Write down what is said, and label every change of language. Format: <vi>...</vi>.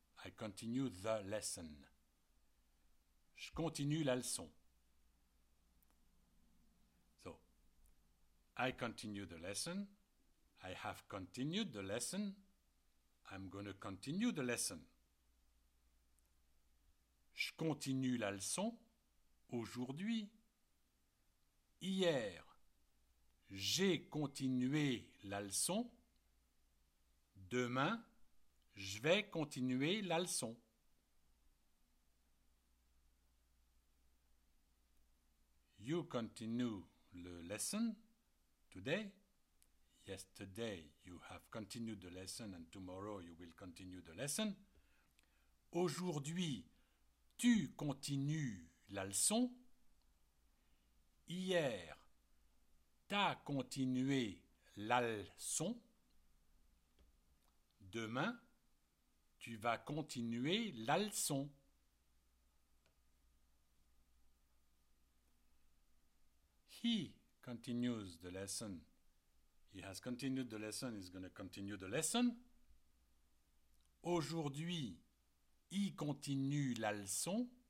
<en>I continue the lesson.</en> <fr>Je continue la leçon.</fr> <en>So, I continue the lesson. I have continued the lesson. I'm going to continue the lesson.</en> <fr>Je continue la leçon aujourd'hui. Hier, j'ai continué la leçon. Demain, je vais continuer la leçon.</fr> <en>You continue the lesson today. Yesterday, you have continued the lesson and tomorrow, you will continue the lesson.</en> <fr>Aujourd'hui, tu continues la leçon. Hier, t'as continué la leçon. Demain, tu vas continuer la leçon.</fr> <en>He continues the lesson. He has continued the lesson. He's going to continue the lesson.</en> <fr>Aujourd'hui, il continue la leçon.</fr>